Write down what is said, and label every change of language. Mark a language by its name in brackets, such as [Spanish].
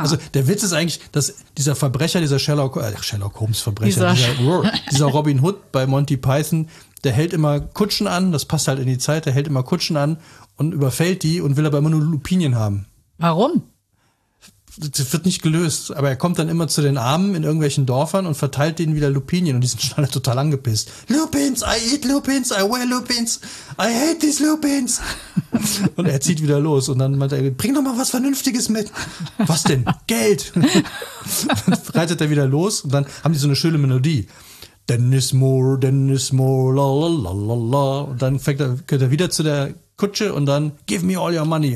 [German] Also der Witz ist eigentlich, dass dieser Verbrecher, dieser Sherlock Holmes Verbrecher, dieser Robin Hood bei Monty Python, der hält immer Kutschen an, das passt halt in die Zeit, der hält immer Kutschen an und überfällt die und will aber immer nur Lupinien haben. Warum? Das wird nicht gelöst, aber er kommt dann immer zu den Armen in irgendwelchen Dörfern und verteilt denen wieder Lupinien und die sind schon alle total angepisst. [English] Lupins, I eat Lupins, I wear Lupins, I hate these Lupins. [German] Und er zieht wieder los und dann meint er, bring doch mal was Vernünftiges mit. Was denn? Geld. Dann reitet er wieder los und dann haben die so eine schöne Melodie. Dennis Moore, la la la la la. Und dann geht er wieder zu der Kutsche und dann, [English] give me all your money.